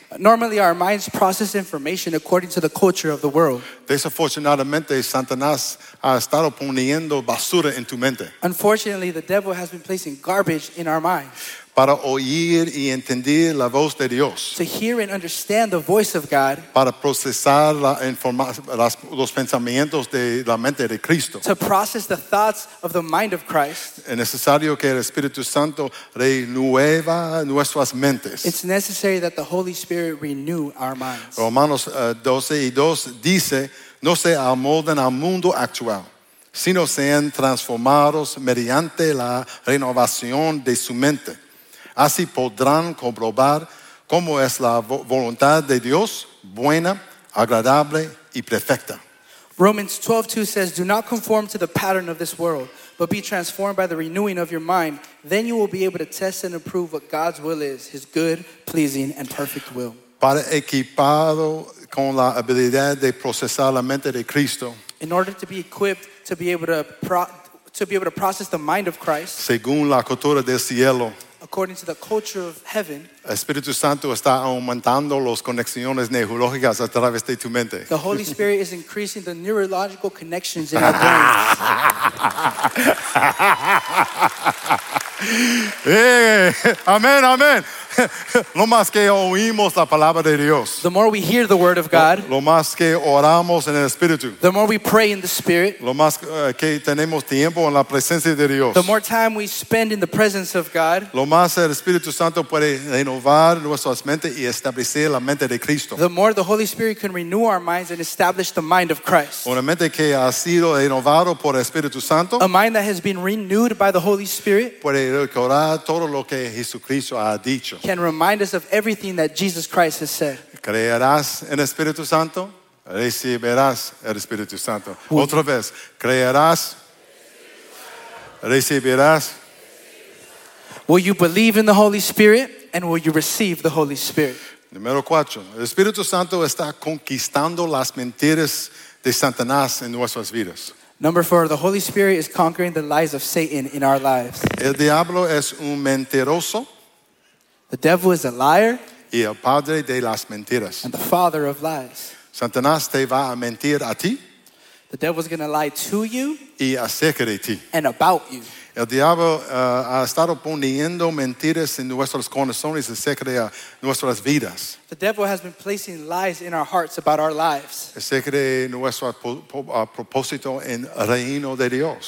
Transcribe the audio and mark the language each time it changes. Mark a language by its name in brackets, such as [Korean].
[English] Normally, our minds process information according to the culture of the world. [Spanish] Desafortunadamente, Satanás ha estado poniendo basura en tu mente. [English] Unfortunately, the devil has been placing garbage in our minds. [Spanish] Para oír y entender la voz de Dios. [English] To hear and understand the voice of God. [Spanish] Para procesar los pensamientos de la mente de Cristo. [English] To process the thoughts of the mind of Christ. [Spanish] Es necesario que el Espíritu Santo renueva nuestras mentes. [English] It's necessary that the Holy Spirit renew our minds. [Spanish] Romanos 12:2 dice, no se amolden al mundo actual, sino sean transformados mediante la renovación de su mente. Así podrán comprobar cómo es la voluntad de Dios, buena, agradable y perfecta. [English] Romans 12:2 says, do not conform to the pattern of this world, but be transformed by the renewing of your mind. Then you will be able to test and approve what God's will is, his good, pleasing and perfect will. [Spanish] Para equipado con la habilidad de procesar la mente de Cristo. [English] In order to be equipped to be able to process the mind of Christ. [Spanish] Según la cultura del cielo. [English] According to the culture of heaven, [Spanish] Espíritu Santo está aumentando las conexiones neurológicas a través de tu mente. [English] The Holy Spirit is increasing the neurological connections in our brains. Hey, amen, amen. [Spanish] Lo más que oímos la palabra de Dios. [English] The more we hear the word of God. [Spanish] Lo más que oramos en el Espíritu. [English] The more we pray in the Spirit. [Spanish] Lo más que tenemos tiempo en la presencia de Dios. [English] The more time we spend in the presence of God. [Spanish] Lo más el Espíritu Santo puede renovar nuestras mentes y establecer la mente de Cristo. [English] The more the Holy Spirit can renew our minds and establish the mind of Christ. [Spanish] Una mente que ha sido renovado por el Espíritu Santo. [English] A mind that has been renewed by the Holy Spirit. [Spanish] Puede recordar todo lo que Jesucristo ha dicho. [English] Can remind us of everything that Jesus Christ has said. [Spanish] ¿Creerás en el Espíritu Santo? Recibirás el Espíritu Santo. Otra vez, ¿creerás? recibirás. [English] Will you believe in the Holy Spirit and will you receive the Holy Spirit? [Spanish] Número cuatro, el Espíritu Santo está conquistando las mentiras de Satanás en nuestras vidas. [English] Number four, the Holy Spirit is conquering the lies of Satan in our lives. [Spanish] El diablo es un mentiroso. [English] The devil is a liar. [Spanish] Y el padre de las mentiras. [English] And the father of lies. [Spanish] Satanás te va a mentir a ti. [English] The devil is going to lie to you. [Spanish] Y acerca de ti. [English] And about you. [Spanish] El diablo ha estado poniendo mentiras en nuestros corazones acerca de nuestras vidas. [English] The devil has been placing lies in our hearts about our lives. [Spanish] Acerca de nuestro propósito en el reino de Dios.